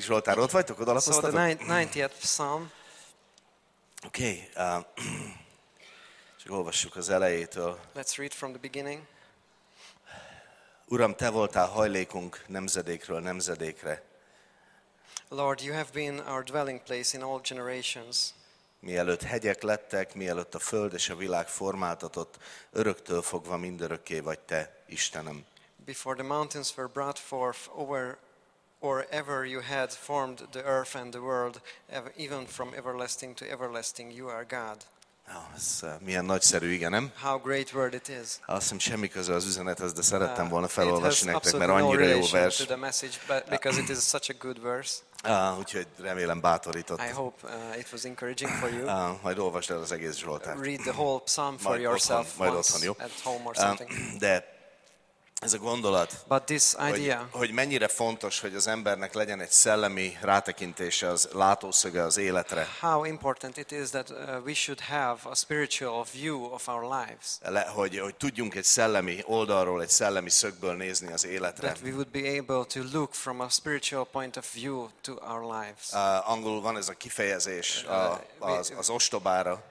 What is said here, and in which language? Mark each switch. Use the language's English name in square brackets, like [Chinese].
[Hungarian] Zsoltár, ott vagytok, oda lapoztatok? [English] So the 90th Psalm. [Hungarian] Oké, csak olvassuk az elejétől. [English] Let's read from the beginning. [Hungarian] Uram, te voltál hajlékunk nemzedékről nemzedékre. [English] Lord, you have been our dwelling place in all generations. [Hungarian] Mielőtt hegyek lettek, mielőtt a föld és a világ formáltatott, öröktől fogva mindörökké vagy te, Istenem. [English] Before the mountains were brought forth, or ever you had formed the earth and the world, even from everlasting to everlasting, you are God. [Hungarian] Ez milyen nagyszerű, igen, nem? [English] How great word it is. [Hungarian] Azt hiszem, semmi köze az üzenethez, de szerettem volna felolvasni nektek, mert annyira jó vers. [English] To the message, but because it is such a good verse. [Hungarian] Úgyhogy remélem bátorított. [English] I hope it was encouraging for you. [Hungarian] Majd olvasd el az egész Zsoltárt. [English] Read the whole psalm for [Hungarian] majd [English] yourself [Hungarian] otthon, majd [English] once [Hungarian] otthon, jó? [English] At home or something. [Hungarian] De ez a gondolat, [English] but this idea, [Hungarian] hogy mennyire fontos, hogy az embernek legyen egy szellemi rátekintése, az látószöge az életre. [English] How important it is that we should have a spiritual view of our lives. [Hungarian] Hogy tudjunk egy szellemi oldalról, egy szellemi szögből nézni az életre. [English] That we would be able to look from a spiritual point of view to our lives. [Hungarian] Angolul van ez a kifejezés az ostobára.